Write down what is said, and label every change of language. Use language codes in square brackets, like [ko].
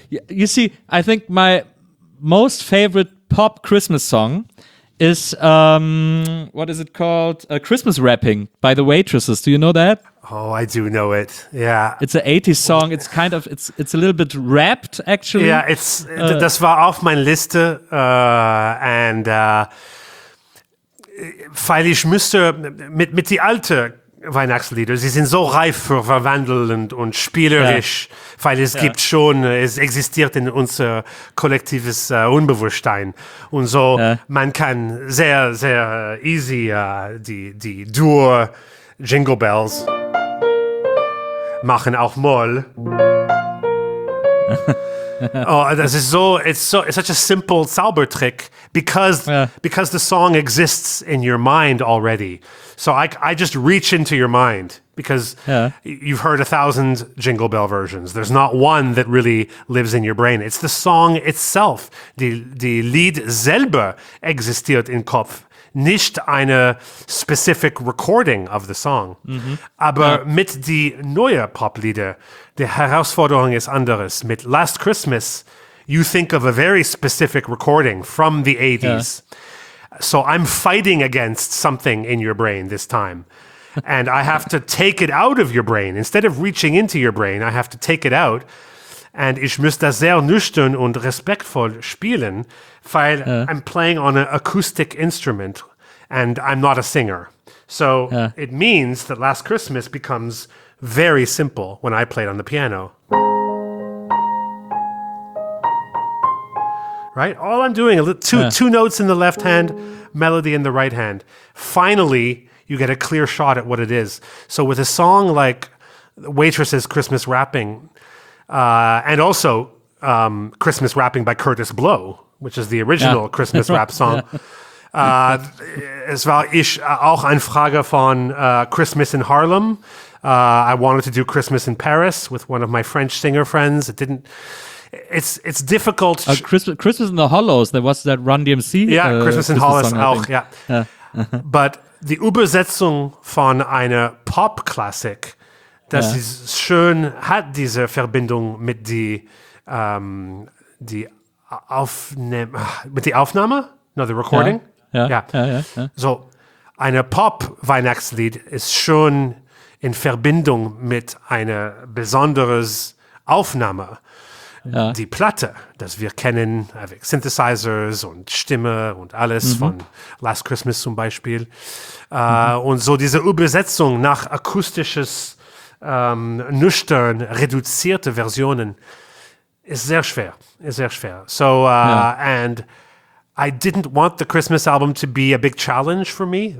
[en] You see, I think my most favorite pop Christmas song ist, what is it called? Christmas Rapping by the Waitresses. Do you know that? Oh, I do know it. Yeah. It's an 80s song. It's kind of, it's a little bit rapped, actually. Yeah, it's, [de] das war auf meiner Liste. And, weil ich müsste mit die alte Weihnachtslieder, sie sind so reif für Verwandeln und spielerisch, ja. Weil es ja. gibt schon, es existiert in unser kollektives Unbewusstsein. Und so, ja. man kann sehr, sehr easy die Dur Jingle Bells machen, auch Moll. Oh, das ist so, [en] it's such a simple Zaubertrick, because because the song exists in your mind already. So I just reach into your mind, because you've heard 1,000 Jingle Bell versions. There's not one that really lives in your brain. It's the song itself. [de] Die Lied selber existiert im Kopf, nicht eine [en] specific recording of the song. [de] Mm-hmm. Aber mit die neue Poplieder, die Herausforderung ist anderes. [en] Mit Last Christmas, you think of a very specific recording from the 80s. Yeah. So I'm fighting against something in your brain this time. And I have to take it out of your brain. Instead of reaching into your brain, I have to take it out. And [de] ich muss das sehr nüchtern und respektvoll spielen, weil [en] I'm playing on an acoustic instrument and I'm not a singer. So it means that Last Christmas becomes very simple when I played on the piano. Right? All I'm doing, two notes in the left hand, melody in the right hand. Finally, you get a clear shot at what it is. So with a song like Waitress's Christmas Rapping, and also Christmas Rapping by Curtis Blow, which is the original Christmas rap song. [de] Es war ich auch eine Frage von Christmas in Harlem. [en] I wanted to do Christmas in Paris with one of my French singer friends. It didn't. It's difficult. Christmas in the Hollows. There was that Run DMC. Yeah, Christmas in Hollows auch. Yeah. But the [de] Übersetzung von einer Pop-Klassik, das ist schön, hat diese Verbindung mit die Aufnahme? [en] No, the recording? [de] Ja. So, eine Pop-Weihnachtslied ist schön in Verbindung mit einer besonderen Aufnahme. Ja. Die Platte, das wir kennen, mit Synthesizers und Stimme und alles von Last Christmas zum Beispiel. Und so diese Übersetzung nach akustisches, nüchtern, reduzierte Versionen ist sehr schwer. [en] So, and I didn't want the Christmas album to be a big challenge for me.